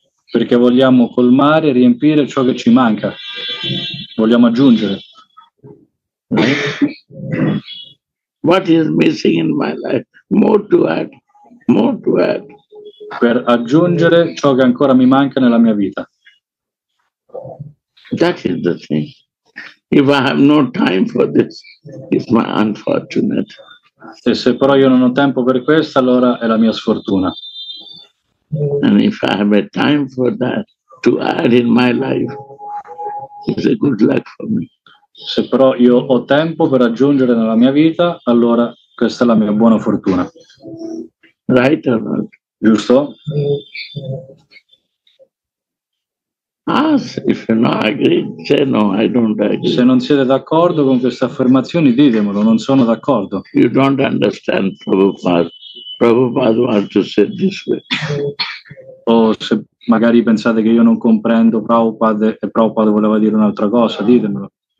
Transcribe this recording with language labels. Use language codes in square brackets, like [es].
[it] Perché vogliamo colmare, riempire ciò che ci manca. Vogliamo aggiungere. [en] What is missing in my life? More to add, more to add. [it] Per aggiungere ciò che ancora mi manca nella mia vita. [en] That is the thing. If I have no time for this, it's my unfortunate. [it] E se però io non ho tempo per questo, allora è la mia sfortuna. [en] And if I have a time for that, to add in my life, it's a good luck for me. [it] Se però io ho tempo per aggiungere nella mia vita, allora questa è la mia buona fortuna. [en] Right or not? [it] Giusto? [en] Ah, if you not agree, say no, I don't agree. [it] Se non siete d'accordo con queste affermazioni, ditemelo, non sono d'accordo. [en] You don't understand Prabhupada. Prabhupada wants to say this way. [it] O se magari pensate che io non comprendo Prabhupada e Prabhupada voleva dire un'altra cosa, ditemelo.